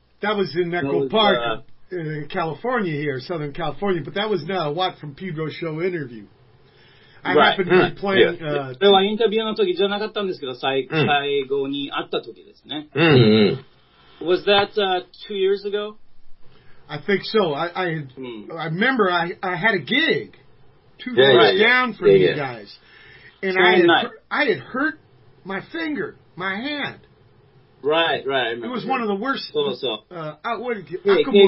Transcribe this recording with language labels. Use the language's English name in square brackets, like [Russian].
[English] That was in Echo Park, in California here, Southern California. But that was not a Watt from Pedro show interview. [Japanese] それはインタビューの時じゃなかったんですけど、最後に会った時ですね。 [English] Was that two years ago? I think so. I remember I had a gig two doors down from you guys. And I had hurt my finger, my hand. Right. It was one of the worst. [Japanese] そうそう。怪